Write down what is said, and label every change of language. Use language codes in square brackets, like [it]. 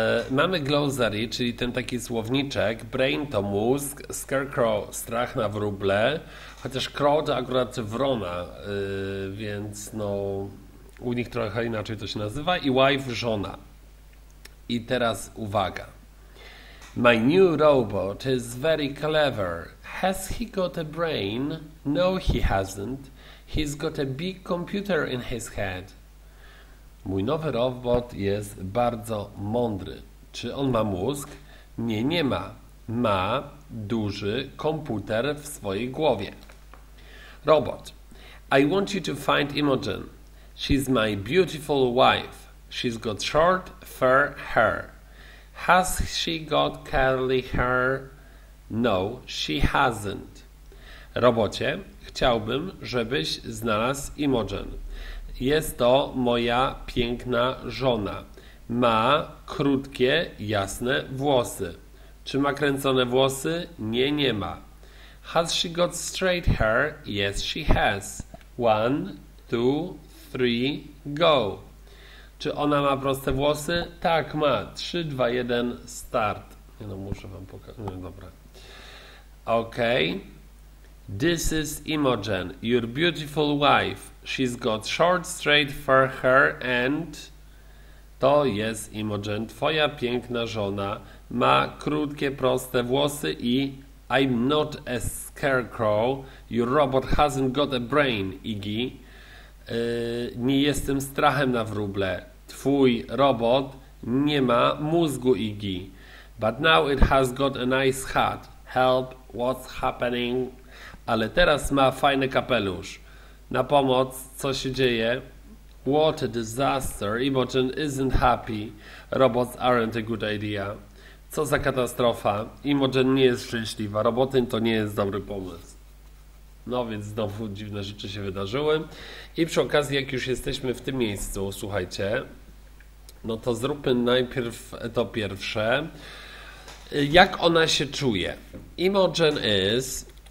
[pl] Mamy glossary, czyli ten taki słowniczek. Brain to mózg. Scarecrow, strach na wróble. Chociaż crow to akurat wrona. Więc no... U nich trochę inaczej to się nazywa. I wife, żona. I teraz uwaga. [en] My new robot is very clever. Has he got a brain? No, he hasn't. He's got a big computer in his head. [pl] Mój nowy robot jest bardzo mądry. Czy on ma mózg? Nie, nie ma. Ma duży komputer w swojej głowie. Robot. [en] I want you to find Imogen. She's my beautiful wife. She's got short, fair hair. Has she got curly hair? No, she hasn't. [pl] Robocie, chciałbym, żebyś znalazł Imogen. Jest to moja piękna żona. Ma krótkie, jasne włosy. Czy ma kręcone włosy? Nie, nie ma. [en] Has she got straight hair? Yes, she has. One, two, three, go. [pl] Czy ona ma proste włosy? Tak, ma. 3, 2, 1, start. Nie no, muszę wam pokazać. No, dobra. Ok. [en] This is Imogen, your beautiful wife. She's got short, straight fair hair and... [pl] To jest Imogen, twoja piękna żona. Ma krótkie, proste włosy i... [en] I'm not a scarecrow. Your robot hasn't got a brain, Iggy. [pl] Nie jestem strachem na wróble. Twój robot nie ma mózgu, Iggy. [en] But now it has got a nice hat. Help, what's happening? [pl] Ale teraz ma fajny kapelusz. Na pomoc, co się dzieje? [en] What a disaster. Imogen isn't happy. Robots aren't a good idea. [pl] Co za katastrofa. Imogen nie jest szczęśliwa. Robotyn to nie jest dobry pomysł. No więc znowu dziwne rzeczy się wydarzyły. I przy okazji, jak już jesteśmy w tym miejscu, słuchajcie, no to zróbmy najpierw to pierwsze. Jak ona się czuje? [en] Imogen is...